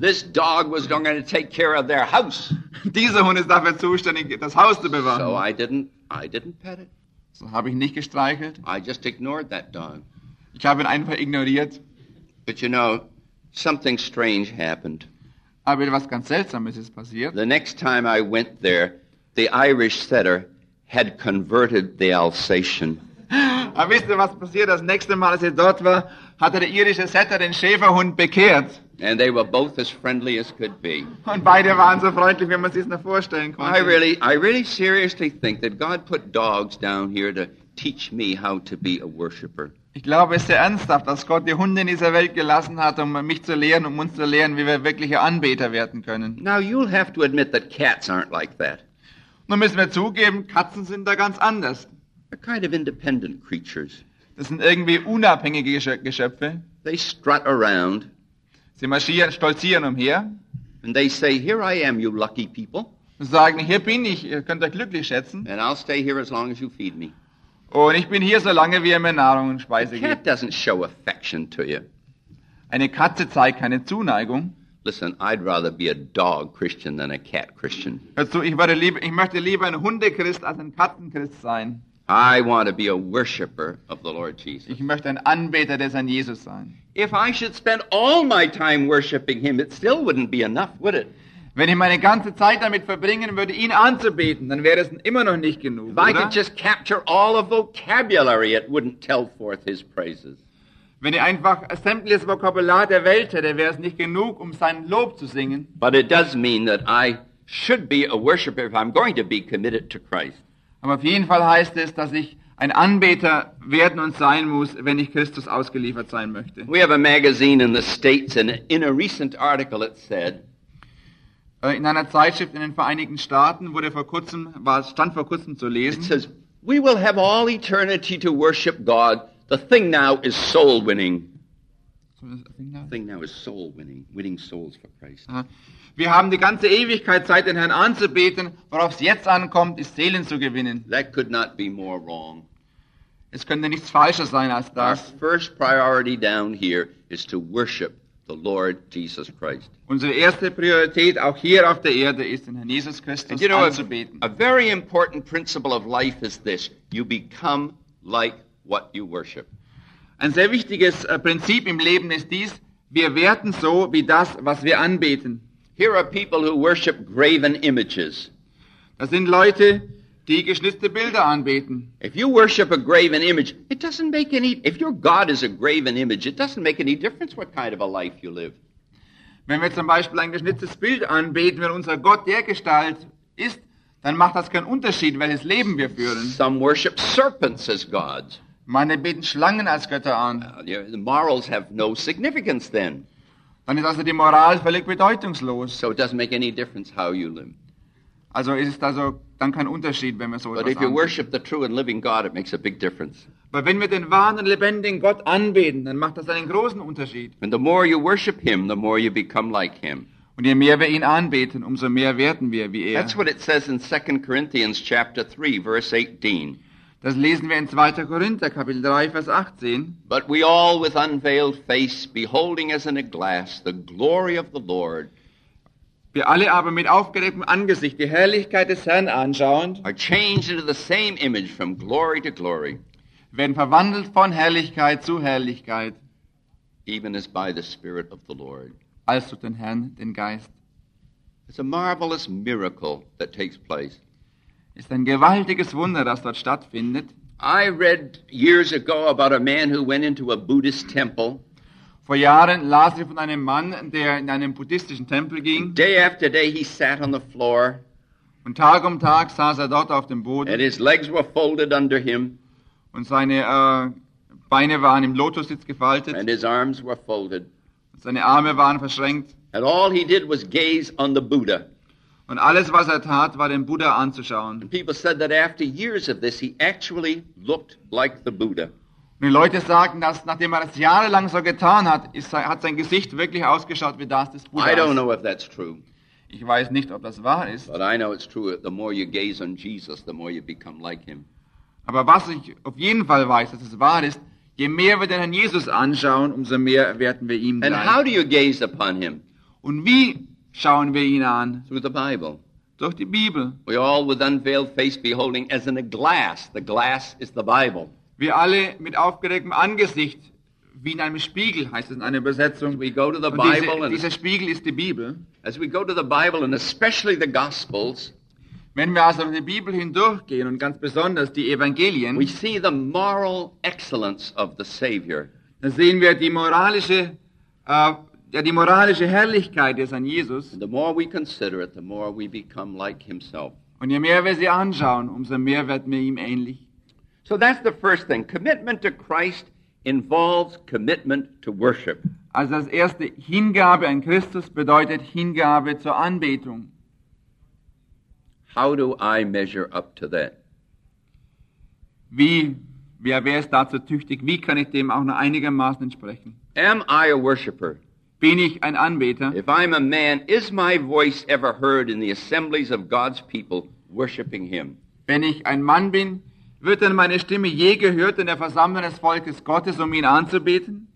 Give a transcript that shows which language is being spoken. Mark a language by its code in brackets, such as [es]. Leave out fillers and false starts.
[en] This dog was going to take care of their house. [de] Dieser Hund ist dafür zuständig, das Haus zu bewahren. [en] So I didn't pet it. [de] So habe ich nicht gestreichelt. [en] I just ignored that dog. [de] Ich habe ihn einfach ignoriert. [en] But you know, something strange happened. [de] Aber etwas ganz Seltsames ist passiert. [en] The next time I went there, the Irish setter had converted the Alsatian. [de] Aber wisst ihr, was passiert? Das nächste Mal, als ich dort war, hatte der irische Setter den Schäferhund bekehrt. [en] And they were both as friendly as could be. [de] Und beide waren so freundlich, wie man sich das nur vorstellen konnte. [en] I really seriously think that God put dogs down here to teach me how to be a worshipper. [de] Ich glaube es sehr ernsthaft, dass Gott die Hunde in dieser Welt gelassen hat, um mich zu lehren, um uns zu lehren, wie wir wirkliche Anbeter werden können. [en] Now you'll have to admit that cats aren't like that. [de] Nun müssen wir zugeben, Katzen sind da ganz anders. [en] They're kind of independent creatures. [de] Das sind irgendwie unabhängige Geschöpfe. [en] They strut around. [de] Sie marschieren, stolzieren umher. [en] And they say, "Here I am, you lucky people." [de] Und sagen, hier bin ich, ihr könnt euch glücklich schätzen. [en] And I'll stay here as long as you feed me. [de] Und ich bin hier so lange, wie ihr mir Nahrung und Speise gebt. [en] A cat doesn't show affection to you. [de] Eine Katze zeigt keine Zuneigung. [en] Listen, I'd rather be a dog Christian than a cat Christian. [de] Also, ich möchte lieber ein Hundechrist als ein Katzenchrist sein. [en] I want to be a worshipper of the Lord Jesus. [de] Ich möchte ein Anbeter des Herrn Jesus sein. [en] If I should spend all my time worshiping him, it still wouldn't be enough, would it? [de] Wenn ich meine ganze Zeit damit verbringen würde, ihn anzubeten, dann wäre es immer noch nicht genug, oder? [en] If I could just capture all of vocabulary, it wouldn't tell forth his praises. [de] Wenn ich einfach sämtliches Vokabular der Welt hätte, wäre es nicht genug, um sein Lob zu singen. [en] But it does mean that I should be a worshipper if I'm going to be committed to Christ. [de] Aber auf jeden Fall heißt es, dass ich ein Anbeter werden und sein muss, wenn ich Christus ausgeliefert sein möchte. [en] We have a magazine in the States, and in a recent article it said, [de] in einer Zeitschrift in den Vereinigten Staaten wurde vor kurzem, stand vor kurzem zu lesen, [en] it says, "We will have all eternity to worship God. The thing now is soul winning." Winning souls for Christ. [de] Wir haben die ganze Ewigkeit Zeit, den Herrn anzubeten. Worauf es jetzt ankommt, ist Seelen zu gewinnen. [en] That could not be more wrong. [de] Es könnte nichts falscher sein als das. [en] Our first priority down here is to worship the Lord Jesus Christ. [de] Unsere erste Priorität auch hier auf der Erde ist, den Herrn Jesus Christus [en] and you know, [de] anzubeten. [en] A very important principle of life is this: you become like what you worship. [de] Ein sehr wichtiges Prinzip im Leben ist dies: wir werden so wie das, was wir anbeten. [en] Here are people who worship graven images. [de] Das sind Leute, die geschnitzte Bilder anbeten. [en] If you worship a graven image, it doesn't make any. If your God is a graven image, it doesn't make any difference what kind of a life you live. [de] Wenn wir zum Beispiel ein geschnitztes Bild anbeten, wenn unser Gott dergestalt ist, dann macht das keinen Unterschied, welches Leben wir führen. [en] Some worship serpents as gods. [de] Manche beten Schlangen als Götter an. [en] The morals have no significance then. [de] Dann ist also die Moral völlig bedeutungslos. [en] So it doesn't make any difference how you live. [de] Also ist es also dann kein Unterschied, wenn wir so [en] But [de] etwas [en] if you [de] anbeten. [en] Worship the true and living God, it makes a big difference. [de] Weil wenn wir den wahren und lebendigen Gott anbeten, dann macht das einen großen Unterschied. [en] And the more you worship him, the more you become like him. [de] Und je mehr wir ihn anbeten, umso mehr werden wir wie er. [en] That's what it says in 2 Corinthians chapter 3, verse 18. [de] Das lesen wir in 2. Korinther, Kapitel 3, Vers 18. [en] But we all with unveiled face, beholding as in a glass the glory of the Lord, [de] wir alle aber mit aufgerecktem Angesicht die Herrlichkeit des Herrn anschauend, [en] are changed into the same image from glory to glory, [de] werden verwandelt von Herrlichkeit zu Herrlichkeit, [en] even as by the Spirit of the Lord, [de] als durch den Herrn, den Geist. [en] It's a marvelous miracle that takes place. [de] Ist ein gewaltiges Wunder, das dort stattfindet. [en] I read years ago about a man who went into a Buddhist temple. [de] Vor Jahren las ich von einem Mann, der in einen buddhistischen Tempel ging. [en] Day after day he sat on the floor. [de] Und Tag um Tag saß er dort auf dem Boden. [en] And his legs were folded under him. [de] Und seine Beine waren im Lotussitz gefaltet. [en] And his arms were folded. [de] Und seine Arme waren verschränkt. [en] And all he did was gaze on the Buddha. [de] Und alles, was er tat, war den Buddha anzuschauen. [en] And people said that after years of this, he actually looked like the Buddha. [de] Und die Leute sagen, dass nachdem er das jahrelang so getan hat, hat sein Gesicht wirklich ausgeschaut wie das des Buddha. [en] I don't know if that's true. [de] Ich weiß nicht, ob das wahr ist. [en] But I know it's true. The more you gaze on Jesus, the more you become like him. [de] Aber was ich auf jeden Fall weiß, dass es wahr ist: je mehr wir den Herrn Jesus anschauen, umso mehr werden wir ihm gleich. [en] And how do you gaze upon him? [de] Und wie schauen wir ihn an? [en] Through the Bible. [de] Durch die Bibel. [en] We all with unveiled face beholding as in a glass. The glass is the Bible. [de] Wir alle mit aufgerecktem Angesicht, wie in einem Spiegel, heißt es in einer Übersetzung. [en] We go to the Bible. [de] Und dieser Spiegel ist die Bibel. [en] As we go to the Bible and especially the Gospels. [de] Wenn wir also die Bibel hindurchgehen und ganz besonders die Evangelien. [en] We see the moral excellence of the Savior. [de] Dann sehen wir die moralische die moralische Herrlichkeit des Herrn Jesus. [en] And the more we consider it, the more we become like himself. [de] Und je mehr wir sie anschauen, umso mehr werden wir ihm ähnlich. [en] So that's the first thing. Commitment to Christ involves commitment to worship. [de] Also das erste, Hingabe an Christus bedeutet Hingabe zur Anbetung. [en] How do I measure up to that? [de] Wer ist dazu tüchtig? Wie kann ich dem auch noch einigermaßen entsprechen? [en] Am I a worshiper? [de] Bin ich ein Anbeter? [en] If I'm a man, is my voice ever heard in the assemblies of God's people worshiping him? [de] Wenn ich ein Mann bin, wird denn meine Stimme je gehört in der Versammlung des Volkes Gottes, um ihn anzubeten?